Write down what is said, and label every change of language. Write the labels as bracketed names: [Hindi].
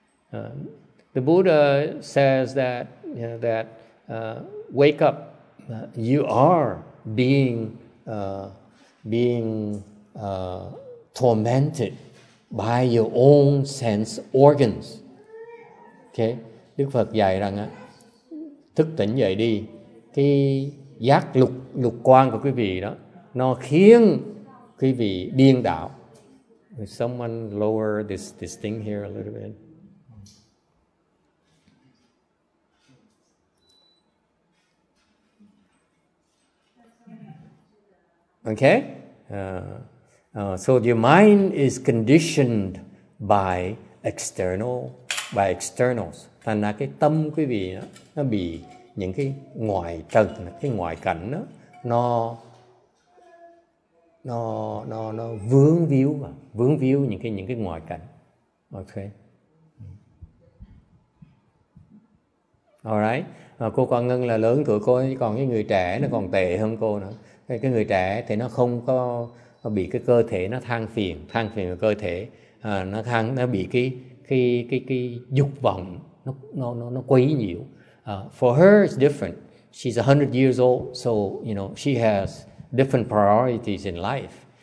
[English] The Buddha says that, you know, that wake up, you are being tormented by your own sense organs. [Vietnamese] Okay, Đức Phật dạy rằng á, thức tỉnh dậy đi, cái giác lục quan của quý vị đó nó khiến quý vị điên đảo. [English] Will someone lower this thing here a little bit? Okay, so your mind is conditioned by external by externals. [Vietnamese] Thành ra cái tâm quý vị đó, nó bị những cái ngoại trần, cái ngoại cảnh đó, nó vướng víu mà vướng víu những cái ngoại cảnh. Ok. Alright. Cô Quang Ngân là lớn tuổi cô, còn cái người trẻ nó còn tệ hơn cô nữa. Cái người trẻ thì nó không có nó bị cái cơ thể nó than phiền cơ thể, nó bị cái dục vọng nó quấy nhiễu. [English] For her it's different. She's 100 years old, so you know she has different priorities in life.